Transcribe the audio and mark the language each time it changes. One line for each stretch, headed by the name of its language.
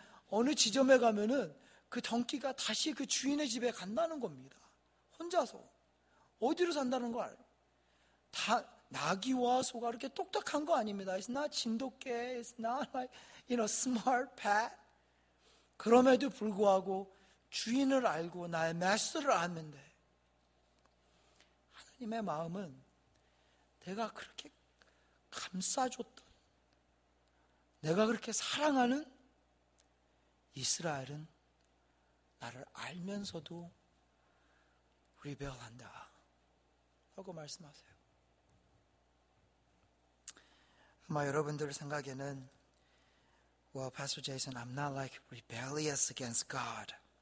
Korean: 어느 지점에 가면은 그 덩키가 다시 그 주인의 집에 간다는 겁니다. 혼자서 어디로 산다는 거 알아요? 다 나귀와 소가 그렇게 똑똑한 거 아닙니다.
English: It's not 진돗개, it's not like you know smart pet.
Korean: 그럼에도 불구하고 주인을 알고 나의 마스터를 아는데 하나님의 마음은 내가 그렇게 감싸줬던 내가 그렇게 사랑하는 이스라엘은 나를 알면서도 리벨한다 하고 말씀하세요. 아마 여러분들 생각에는
English: Well, Pastor Jason, I'm not like rebellious against God.